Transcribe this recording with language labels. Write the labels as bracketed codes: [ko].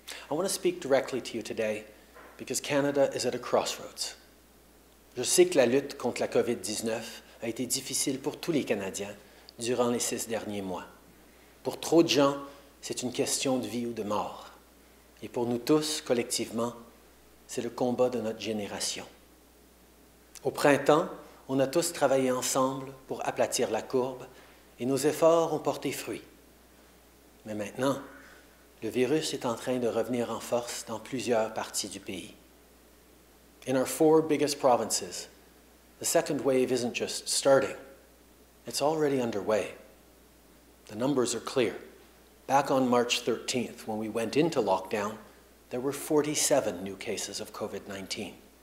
[en] I want to speak directly to you today because Canada is at a crossroads. [fr] Je sais que la lutte contre la COVID-19 a été difficile pour tous les Canadiens durant les six derniers mois. Pour trop de gens, c'est une question de vie ou de mort. Et pour nous tous, collectivement, c'est le combat de notre génération. Au printemps, on a tous travaillé ensemble pour aplatir la courbe et nos efforts ont porté fruit. Mais maintenant, le virus est en train de revenir en force dans plusieurs parties du pays. [en] In our four biggest provinces, the second wave isn't just starting. It's already underway. The numbers are clear. Back on March 13th, when we went into lockdown, there were 47 new cases of COVID-19.